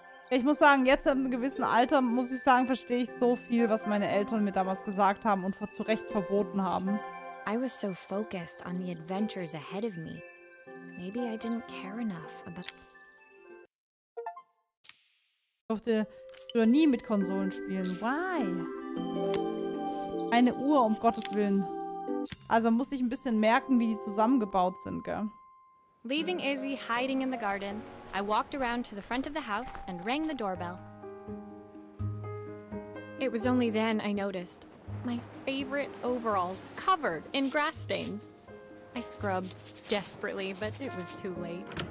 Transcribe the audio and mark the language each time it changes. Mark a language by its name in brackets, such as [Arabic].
[German] Ich muss sagen, jetzt in einem gewissen Alter, muss ich sagen, verstehe ich so viel, was meine Eltern mir damals gesagt haben und zu Recht verboten haben. [English] I was so focused on the adventures ahead of me. Maybe I didn't care enough about... [German] Ich durfte früher nie mit Konsolen spielen. [English] Why? [German] Eine Uhr, um Gottes Willen. Also muss ich ein bisschen merken, wie die zusammengebaut sind, gell? [English] Leaving Izzy hiding in the garden, I walked around to the front of the house and rang the doorbell. It was only then I noticed my favorite overalls covered in grass stains. I scrubbed desperately, but it was too late.